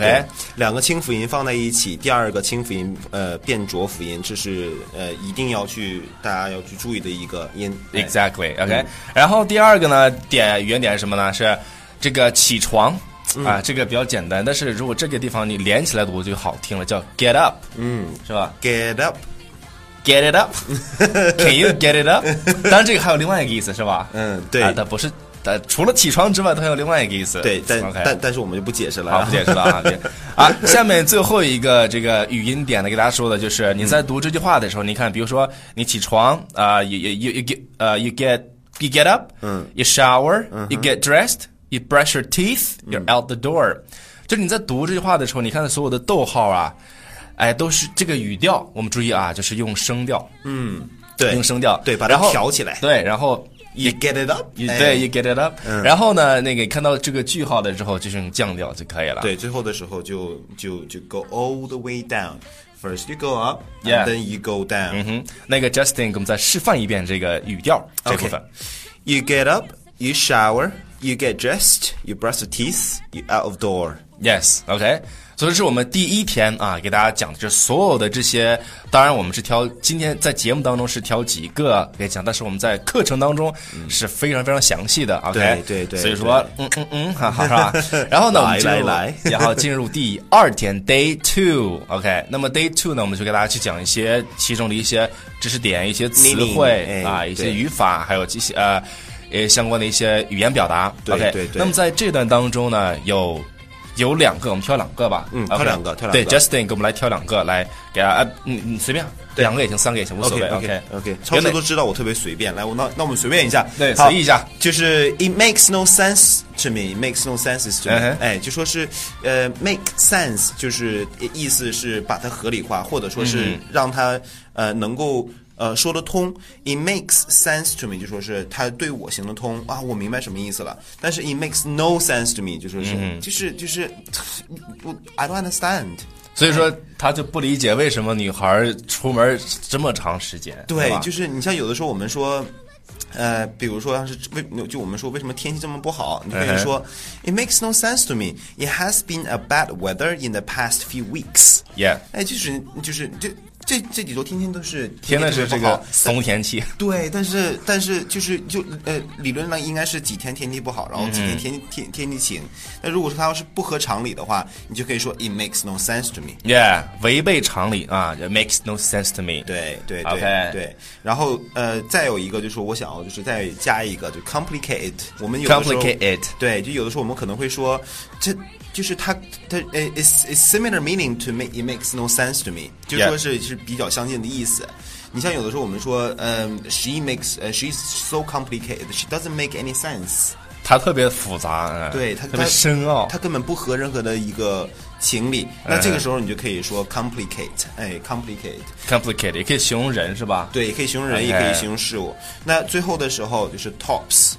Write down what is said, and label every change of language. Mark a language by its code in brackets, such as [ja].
[zh] 对两个清辅音放在一起，第二个清辅音变浊辅音，这是一定要去大家要去注意的一个音，exactly，OK，、然后第二个呢点语言点是什么呢？是这个起床啊，这个比较简单，但是如果这个地方你连起来读就好听了，叫 [en] get up， [zh] 是吧 [en] ？get up， get it up， can you get it up？ [zh] 当然，这个还有另外一个意思，是吧？对，它不是，它除了起床之外，它有另外一个意思。对，但、 [en] okay、 [zh] 但是我们就不解释了，不解释了啊！啊，下面最后一个这个语音点呢，给大家说的就是你在读这句话的时候，你看，比如说你起床啊、 [en] you get up， y o u shower， you get dressed。 You brush your teeth, you're out the door、 [zh] 就是你在读这句话的时候你看所有的逗号啊哎，都是这个语调我们注意啊就是用声调对用声调对把它调起来对然后 [en] You get it up [zh] you,、对 [en] You get it up、 [zh] 然后呢那个看到这个句号的时候就是用降调就可以了对最后的时候就 [en] go all the way down First you go up and then you go down、 [zh] 那个 Justin 给我们再示范一遍这个语调这部分、 [en] You get up, you showerYou get dressed, you brush your teeth, you're out of door. Yes, okay. [zh] 所以是我们第一天啊，给大家讲的就所有的这些，当然我们是挑今天在节目当中是挑几个给讲，但是我们在课程当中是非常非常详细的、嗯、OK 对对对，所以说哈哈是吧，然后呢来来来，然后进入第二天 Day 2 OK。那么 Day 2呢，我们就给大家去讲一些其中的一些知识点，一些词汇啊，一些语法，还有这些相关的一些语言表达。对 OK 对对对。那么在这段当中呢，有两个，我们挑两个吧。嗯，挑两个， [en] okay, [zh] 挑两个。对 ，Justin， 给我们来挑两个，来给他，你随便，对，两个也行，三个也行，无所谓。 [en] OK，OK，OK、 okay, okay, okay, okay,。 [zh] 超都知道我特别随便，来，那我们随便一下，对，随意一下， [en] 就是 It makes no sense to me， makes no sense to me、uh-huh.。 [zh] 哎，就说是 [en] make sense， [zh] 就是意思是把它合理化，或者说是让它、mm-hmm. 能够。说得通 ， [en] it makes sense to me， [zh] 就说是它对我行得通啊，我明白什么意思了。但是 [en] it makes no sense to me， [zh] 就说是、嗯、就是，不 [en] ，I don't understand。 [zh] 所以说他就不理解为什么女孩出门这么长时间。对，对，就是你像有的时候我们说，比如说像是就我们说为什么天气这么不好，你可以说、哎、 [en] it makes no sense to me， it has been a bad weather in the past few weeks。 Yeah， [zh] 哎，就是。这几周天天都是天天是这个冬天气，对，但是就是理论上应该是几天天气不好，然后几天天气晴。那如果说它要是不合常理的话，你就可以说 [en] it makes no sense to me。 [zh] Yeah， 违背常理啊 ， [en] it makes no sense to me。 [zh] 对对对、 [en] okay. [zh] 对。然后再有一个就是我想要就是再加一个就 [en] complicate it。 [zh] 我们有 [en] complicate it。 [zh] 对，就有的时候我们可能会说这。就是它 [en] is similar meaning to me, it makes no sense to me， [zh] 就说是、 [en] yeah. [zh] 是比较相近的意思。你像有的时候我们说， [en] she's so complicated, she doesn't make any sense。 [zh] 她特别复杂，对，她特别深奥，她根本不合任何的一个情理。那这个时候你就可以说 complicate， 哎 ，complicate，也可以形容人是吧？对，也可以形容人， [en] okay. [zh] 也可以形容事物。那最后的时候就是 tops，